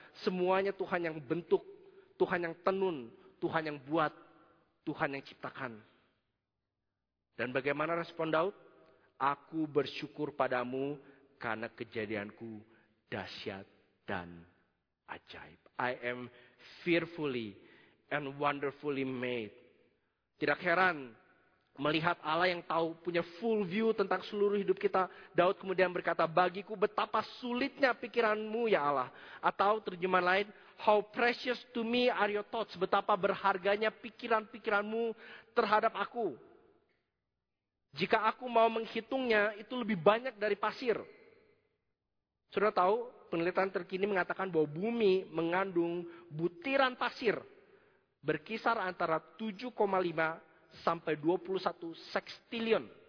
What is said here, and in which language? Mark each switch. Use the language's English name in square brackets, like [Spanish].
[Indonesian] Semuanya Tuhan yang bentuk, Tuhan yang tenun, Tuhan yang buat, Tuhan yang ciptakan. Dan bagaimana respon Daud? Aku bersyukur padamu karena kejadianku dahsyat dan ajaib. [English] I am fearfully and wonderfully made. [Indonesian] Tidak heran melihat Allah yang tahu, punya [English] full view [Indonesian] tentang seluruh hidup kita. Daud kemudian berkata, bagiku betapa sulitnya pikiranmu ya Allah. Atau terjemahan lain, [English] how precious to me are your thoughts. [Indonesian] Betapa berharganya pikiran-pikiranmu terhadap aku. Jika aku mau menghitungnya, itu lebih banyak dari pasir. Sudah tahu, penelitian terkini mengatakan bahwa bumi mengandung butiran pasir berkisar antara 7,5 sampai 21 sextillion.